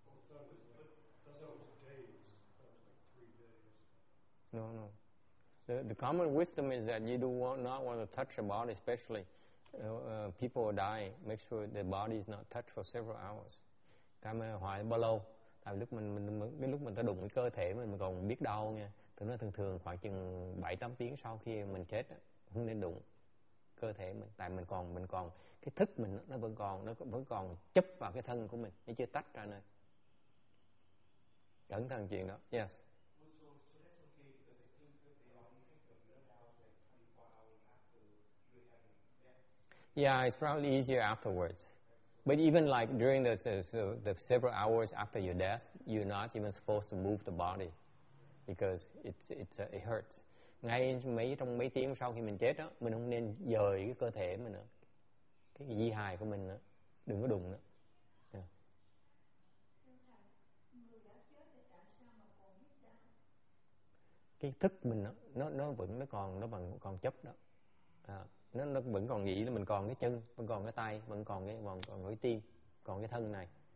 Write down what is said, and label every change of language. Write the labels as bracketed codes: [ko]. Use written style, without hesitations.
[en] Well, that was days. That was like 3 days. No. The common wisdom is that you do not want to touch your body, especially people die, make sure the body is not touched for several hours. [vi] Cái mà hỏi bao lâu? Tại lúc mình lúc mình ta đụng cái cơ thể mình còn biết đau nha. Tức là thường thường khoảng chừng 7-8 tiếng sau khi mình chết không nên đụng cơ thể mình, tại mình còn cái thức mình nó vẫn còn chấp vào cái thân của mình, nó chưa tách ra nơi. Cẩn thận chuyện đó. Yes. [en] Yeah, it's probably easier afterwards. But even like during the several hours after your death, you're not even supposed to move the body because it hurts. [vi] Ngay trong mấy tiếng sau khi mình chết đó, mình không nên dời cái cơ thể mình nữa, cái di hài của mình nữa, đừng có đụng nữa. [en] Yeah. [vi] Cái thức mình đó, nó vẫn còn chấp đó. Nó vẫn còn nghĩ là mình còn cái chân, vẫn còn cái tay, vẫn còn cái còn cái tim, còn cái thân này.